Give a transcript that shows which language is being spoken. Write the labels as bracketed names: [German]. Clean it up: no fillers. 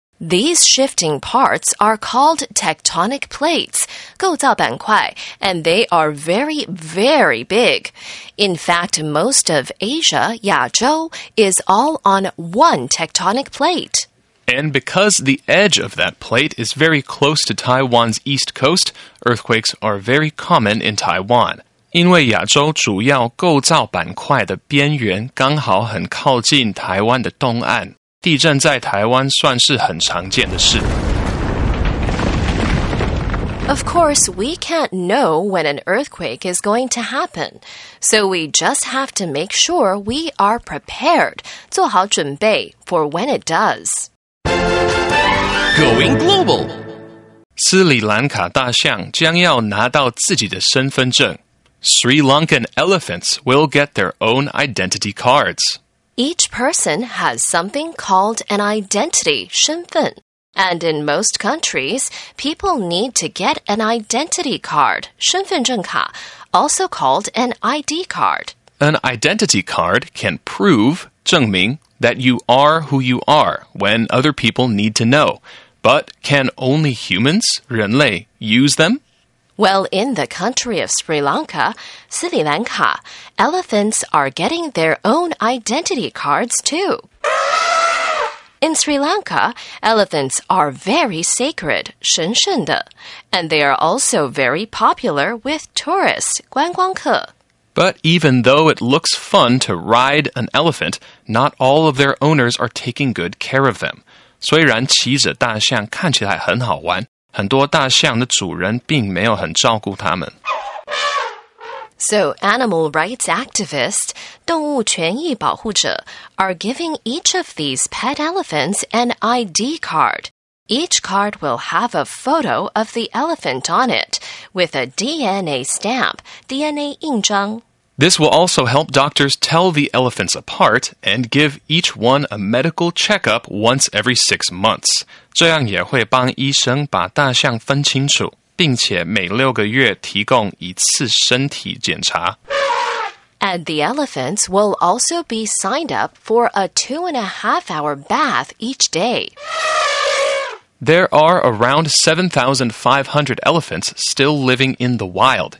[English] These shifting parts are called tectonic plates, [Chinese] 构造板块, [English] and they are very, very big. In fact, most of Asia, [Chinese] 亚洲, [English] is all on one tectonic plate. And because the edge of that plate is very close to Taiwan's east coast, earthquakes are very common in Taiwan. [Chinese] 因为亚洲主要构造板块的边缘刚好很靠近台湾的东岸,地震在台湾算是很常见的事。 [English] Of course, we can't know when an earthquake is going to happen, so we just have to make sure we are prepared, [Chinese] 做好准备 [English] for when it does. Going global! [Chinese] 斯里兰卡大象将要拿到自己的身份证。 [English] Sri Lankan elephants will get their own identity cards. Each person has something called an identity, [Chinese] 身份. [English] And in most countries, people need to get an identity card, [Chinese] 身份证卡, [English] also called an ID card. An identity card can prove, [Chinese] 证明, [English] that you are who you are when other people need to know. But can only humans, [Chinese] 人类, [English] use them? Well, in the country of Sri Lanka, Sri Lanka, elephants are getting their own identity cards, too. In Sri Lanka, elephants are very sacred, [Chinese] 神圣的, [English] and they are also very popular with tourists, [Chinese] 观光客. [English] But even though it looks fun to ride an elephant, not all of their owners are taking good care of them. [Chinese] 虽然骑着大象看起来很好玩,很多大象的主人并没有很照顾他们。 [English] So, animal rights activists, [Chinese] 动物权益保护者, [English] are giving each of these pet elephants an ID card. Each card will have a photo of the elephant on it, with a DNA stamp, [Chinese] DNA 印章。 [English] This will also help doctors tell the elephants apart and give each one a medical checkup once every 6 months. [Chinese] 这样也会帮医生把大象分清楚,并且每六个月提供一次身体检查。 [English] And the elephants will also be signed up for a 2.5-hour bath each day. There are around 7,500 elephants still living in the wild,